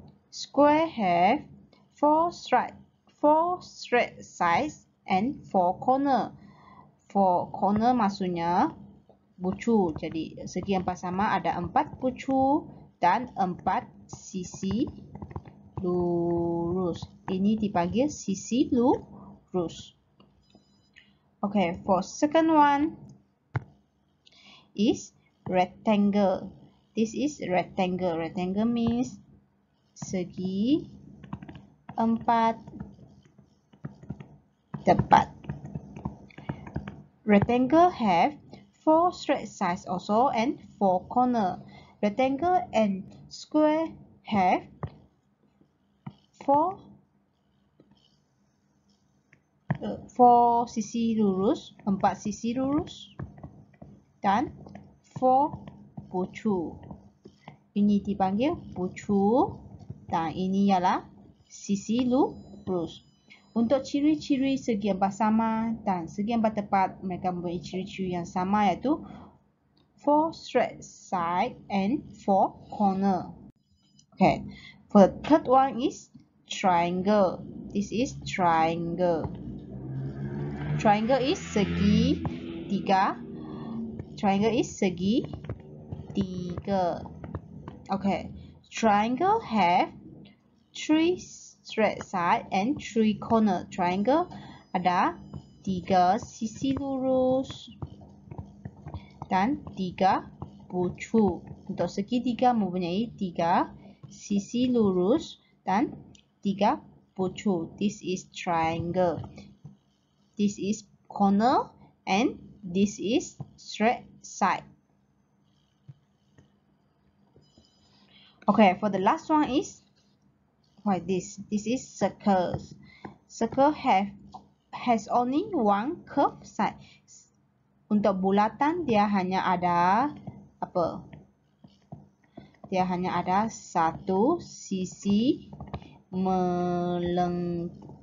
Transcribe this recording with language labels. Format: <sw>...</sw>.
<en>Square have four straight sides and four corner. Four corner</en> <ms>maksudnya bucu. Jadi segi empat sama ada empat bucu dan empat sisi lurus. Ini dipanggil sisi lurus.</ms> <en>Okay, for second one is rectangle. This is rectangle. Rectangle means</en> <ms>segi empat tepat.</ms> <en>Rectangle have four straight sides also and four corner. Rectangle and square have four</en> <ms>sisi lurus, empat sisi lurus dan four bucu. Ini dipanggil bucu dan ini ialah sisi lurus. Untuk ciri-ciri segi empat sama dan segi empat tepat, mereka mempunyai ciri-ciri yang sama iaitu</ms> <en>four straight side and four corner. Okay. For the third one is triangle. This is triangle. Triangle is</en> <ms>segi tiga.</ms> <en>Triangle is</en> <ms>segi tiga.</ms> <en>Okay. Triangle have three straight side and three corner.</en> <ms>Triangle ada tiga sisi lurus dan tiga bucu. Untuk segi tiga mempunyai tiga sisi lurus dan tiga bucu.</ms> <en>This is triangle. This is corner and this is straight side. Okay, for the last one is like this. This is circles. Circle has only one curved side.</en> <ms>Untuk bulatan dia hanya ada apa? Dia hanya ada satu sisi melengkung.</ms>